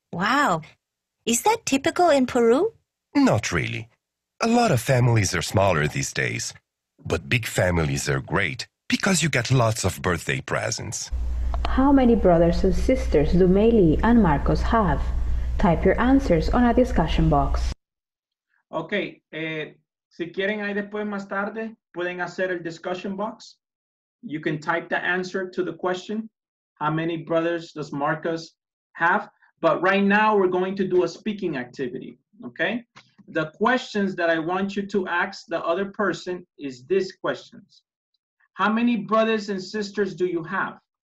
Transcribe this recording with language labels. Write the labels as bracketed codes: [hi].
[en] Wow. Is that typical in Peru? Not really. A lot of families are smaller these days. But big families are great because you get lots of birthday presents. How many brothers and sisters do Meili and Marcos have? Type your answers on a discussion box. Okay. [es] Si quieren ahí después más tarde, pueden hacer el discussion box. [en] You can type the answer to the question. How many brothers does Marcos have? But right now we're going to do a speaking activity, okay? The questions that I want you to ask the other person is these questions. How many brothers and sisters do you have?